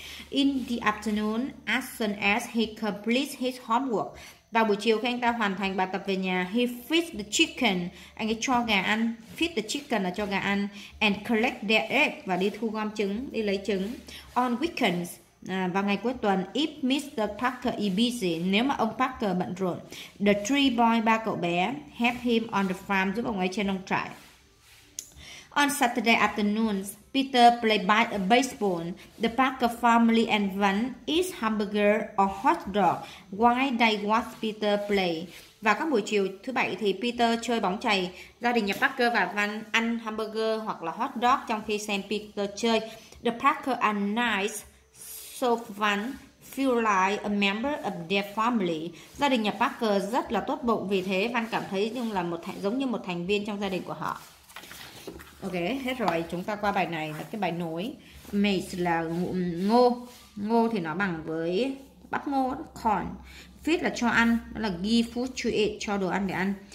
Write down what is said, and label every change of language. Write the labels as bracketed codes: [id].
[en] In the afternoon, as soon as he completes his homework, [vi] vào buổi chiều khi anh ta hoàn thành bài tập về nhà, [en] he feeds the chicken, [vi] anh ấy cho gà ăn, [en] feed the chicken [vi] là cho gà ăn, [en] and collect their egg, [vi] và đi thu gom trứng, đi lấy trứng. [en] On weekends, [vi] vào ngày cuối tuần, [en] if Mr. [vi] Parker is busy, nếu mà ông Parker bận rộn, [en] the three boy, [vi] ba cậu bé, [en] help him on the farm, [vi] giúp ông ấy trên nông trại. [en] On Saturday afternoons, Peter played by a baseball. The Parker family and Van eat hamburger or hot dog while they watch Peter play. [vi] Và các buổi chiều thứ bảy thì Peter chơi bóng chày. Gia đình nhà Parker và Van ăn hamburger hoặc là hot dog trong khi xem Peter chơi. [en] The Parker are nice, so Van feel like a member of their family. [vi] Gia đình nhà Parker rất là tốt bụng, vì thế Van cảm thấy như là một giống như một thành viên trong gia đình của họ. Ok, hết rồi, chúng ta qua bài này. Cái bài nối maize là ngô. Ngô thì nó bằng với bắp ngô, corn. Feed là cho ăn, đó là [en] give food to eat, [vi] cho đồ ăn để ăn.